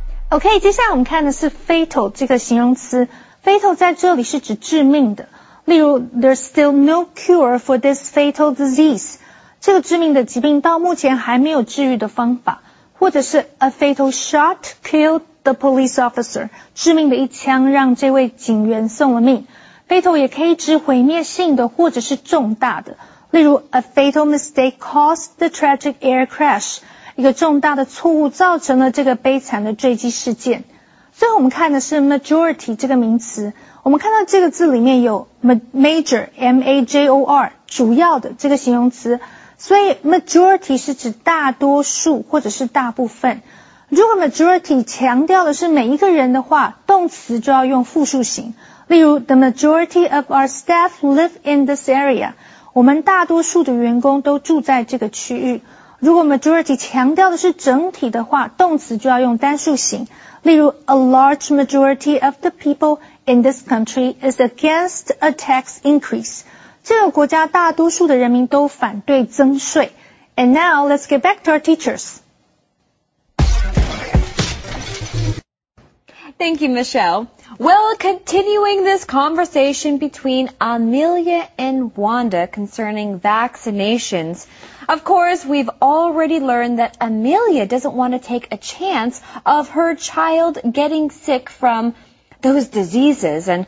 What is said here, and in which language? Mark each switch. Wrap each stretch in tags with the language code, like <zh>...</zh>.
<zh>OK, 接下来我们看的是 fatal 这个形容词。fatal 在这里是指致命的。例如</zh> <en>,there's still no cure for this fatal disease.</en> <zh>这个致命的疾病到目前还没有治愈的方法。或者是</zh> <en>a fatal shot killed the police officer.</en> <zh>致命的一枪让这位警员送了命。 fatal 也可以指毁灭性的或者是重大的。例如</zh> <en>a fatal mistake caused the tragic air crash.</en> <zh>一个重大的错误造成了这个悲惨的坠机事件。最后我们看的是 majority 这个名词。我们看到这个字里面有 major, M-A-J-O-R, 主要的这个形容词。所以 majority 是指大多数或者是大部分。如果 majority 强调的是每一个人的话，动词就要用复数形。例如</zh> <en>the majority of our staff live in this area.</en> <zh>我们大多数的员工都住在这个区域。如果 majority 强调的是整体的话，动词就要用单数形。例如</zh> <en>a large majority of the people in this country is against a tax increase.</en> <zh>这个国家大多数的人民都反对增税。</zh> <en>And now, let's get back to our teachers. Thank you, Michelle. Well, continuing this conversation between Amelia and Wanda concerning vaccinations, of course, we've already learned that Amelia doesn't want to take a chance of her child getting sick from those diseases.</en>